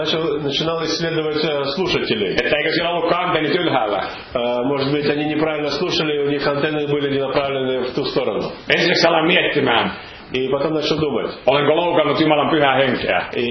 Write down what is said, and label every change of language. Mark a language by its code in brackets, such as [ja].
[ru] Начинал исследовать слушателей. [fi] Että eikö siellä ollutkaan antennit ylhäällä? [ru] Может быть, они неправильно слушали, у них антенны были не направлены в ту сторону. [fi] Ensimmäisenä aloin miettimään. [ru] И потом начал думать. [fi] Olenko loukannut Jumalan pyhää henkeä?